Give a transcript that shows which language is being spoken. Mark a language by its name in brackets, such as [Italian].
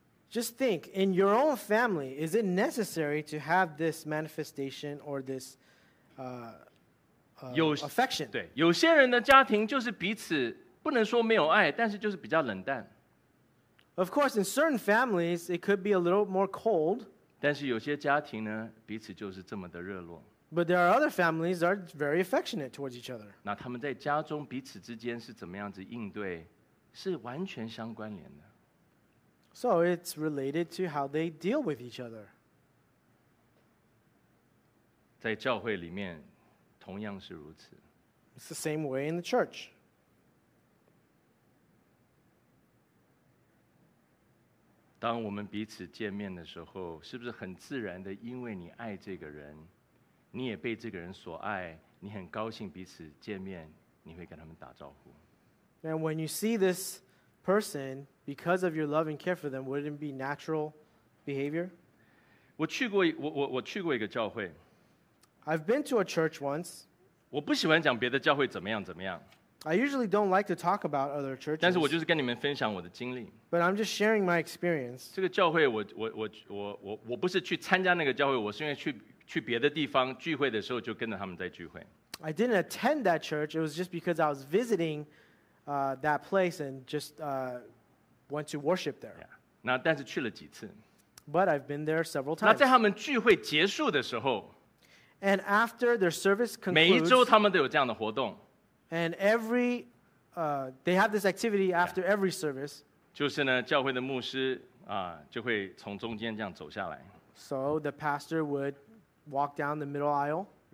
[English] Just think, in your own family, is it necessary to have this manifestation or this affection? [Chinese] 对，有些人的家庭就是彼此不能说没有爱，但是就是比较冷淡。 [English] Of course, in certain families, it could be a little more cold. [Chinese] 但是有些家庭呢，彼此就是这么的热络。 [English] But there are other families that are very affectionate towards each other. [Chinese] 那他们在家中彼此之间是怎么样子应对，是完全相关联的。 [English] So it's related to how they deal with each other. [Chinese] 在教会里面，同样是如此。 [English] It's the same way in the church. [Chinese] 当我们彼此见面的时候，是不是很自然的？因为你爱这个人，你也被这个人所爱，你很高兴彼此见面，你会跟他们打招呼。 [English] And when you see this person, because of your love and care for them, wouldn't it be natural behavior? [Chinese] 我去过一个教会。 [English] I've been to a church once. [Chinese] 我不喜欢讲别的教会怎么样怎么样。 [English] I usually don't like to talk about other churches. [Chinese] 但是我就是跟你们分享我的经历。 [English] But I'm just sharing my experience. [Chinese] 这个教会我不是去参加那个教会，我是因为去别的地方聚会的时候就跟着他们在聚会。 [English] I didn't attend that church. It was just because I was visiting that place and just went to worship there. Yeah. [Chinese] 那但是去了几次。 [English] But I've been there several times. [Chinese] 那在他们聚会结束的时候， [English] and after their service concludes, [Chinese] 每一周他们都有这样的活动。 [English] And every, they have this activity after every service. [Chinese] 就是呢，教会的牧师啊，就会从中间这样走下来。 [English] So the pastor would walk down the middle aisle.